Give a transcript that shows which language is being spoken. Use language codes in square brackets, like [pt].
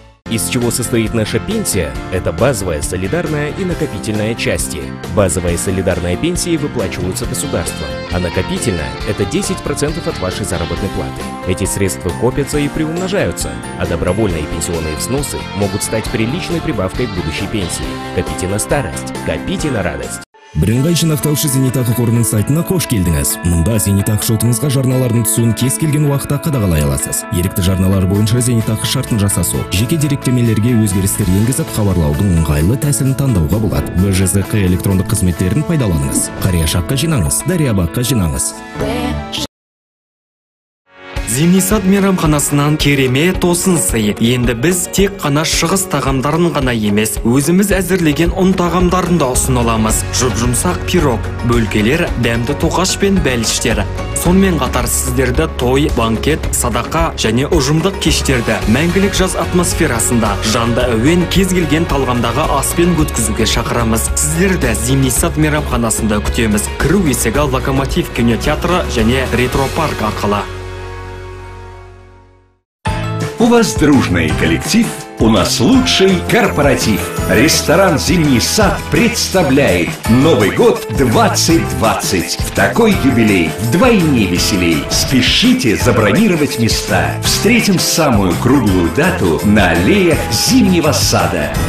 [ru] Из чего состоит наша пенсия? Это базовая, солидарная и накопительная части. Базовая и солидарная пенсии выплачиваются государством, а накопительная – это 10% от вашей заработной платы. Эти средства копятся и приумножаются, а добровольные пенсионные взносы могут стать приличной прибавкой к будущей пенсии. Копите на старость, копите на радость. [kk] Бірыңғай жинақталшы зейнетақы қорының сайтына қош келдіңіз. Мұнда зейнетақы шотыңызға жарналардың түсуін кез келген уақытта қадағалай аласыз. Ерікті жарналар бойынша зейнетақы шартын жасасу, жеке деректемелерге өзгерістер енгізіп, хабарлаудың ыңғайлы тәсілін таңдауға болады. ВЖЗ электрондық қызметтерін пайдаланыңыз. Қария шаққа жинаңыз, Дария баққа жинаңыз. Зенисад мейрамханасынан керемет осын сый. Енді біз тек қана шығыс тағамдарын ғана емес, өзіміз әзірлеген ұн тағамдарын да ұсыналамыз. Жұп-жұмсақ пирог, бөлкелер, дәмді тоқаш пен бәліштер. Сонымен қатар сіздерді той, банкет, садақа және ұжымдық кештерді мәңгілік жаз атмосферасында жанды әуен кез келген талғамдағы аспен өткізуге шақырамыз. Сіздерді Зенисад мейрамханасында күтеміз. Кіру есігі Локомотив кинотеатры және ретропарк арқылы. [ru] У вас дружный коллектив, у нас лучший корпоратив. Ресторан «Зимний сад» представляет Новый год 2020. В такой юбилей вдвойне веселей. Спешите забронировать места. Встретим самую круглую дату на аллеях «Зимнего сада».